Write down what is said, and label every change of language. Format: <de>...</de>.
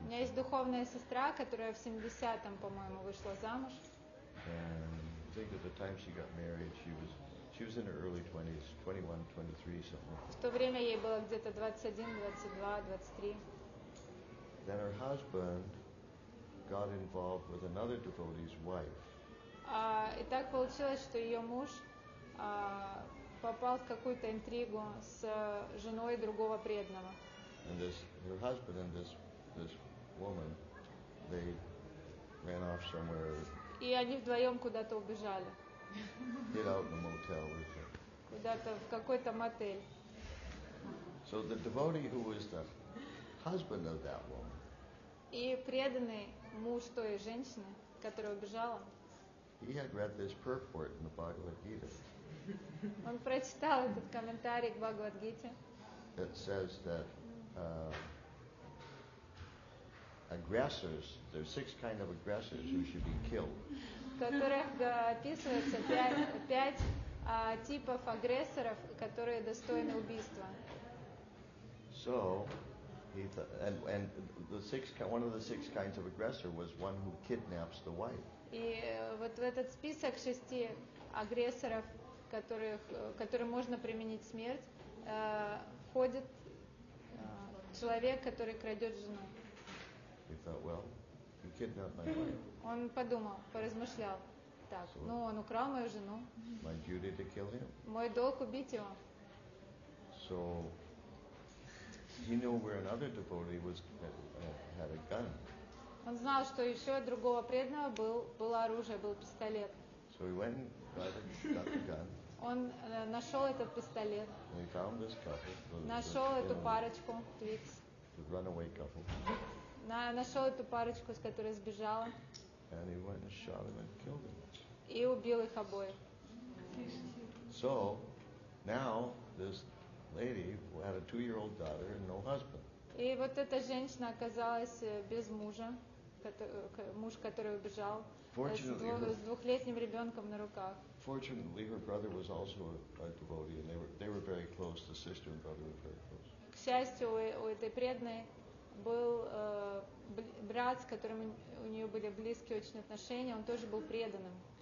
<ru>У меня есть духовная сестра, которая в 70-м, по-моему, вышла замуж.</ru> <en>And I think at the time she got married, she was in her early 20s, 21, 23, something.</en> <ru>В то время ей было где-то 21, 22, 23.</ru> <en>Then her husband got involved with another devotee's wife.</en> <ru>И так получилось, что ее муж попал в какую-то интригу с женой другого преданного.</ru> <en>And this, her husband and this woman, they ran off somewhere.</en> <ru>И они вдвоем куда-то убежали.</ru> <en>Get out in a motel with her.</en> <ru>Куда-то в какой-то мотель.</ru> <en>So the devotee who is the husband of that woman.</en> <ru>И преданный муж той женщины, которая убежала.</ru> <en>He had read this purport in the Bhagavad Gita.</en> <ru>Он прочитал этот комментарий к Бхагавад-гите.</ru> <en>It says that aggressors, there are six kind of aggressors who should be killed.</en> <ru>В которых описывается пять типов агрессоров, которые достойны убийства.</ru> <en>So, one of the six kinds of aggressor was one who kidnaps the wife.</en> <ru>И вот в этот список шести агрессоров, которым можно применить смерть, входит человек, который крадет жену.</ru> <en>He thought, well, you kidnapped my wife.</en> <ru>Он подумал, поразмышлял. Так, so, ну он украл мою жену.</ru> <en>My duty to kill him.</en> <ru>Мой долг убить его.</ru> <en>So he knew where another devotee was had a gun.</en> <ru>Он знал, что еще другого преданного было оружие, был пистолет.</ru> <en>So he went and got the gun.</en> <ru>Он нашел этот пистолет.</ru> <en>And he found this couple.</en> <ru>Нашел эту парочку, Твикс.</ru> <en>The runaway couple.</en> <ru>Нашел эту парочку, с которой сбежала.</ru> <en>And he went and shot them and killed them.</en> <ru>И убил их обоих.</ru> <en>So, now this lady had a two-year-old daughter and no husband.</en> <ru>И вот эта женщина оказалась без мужа, муж, который убежал, с двухлетним ребенком на руках.</ru> <en>Fortunately, her brother was also a devotee, and they were very close. The sister and brother were very close.</en> <ru>К счастью, у этой преданной был брат, с которым у нее были близкие очень отношения, он тоже был преданным.</ru>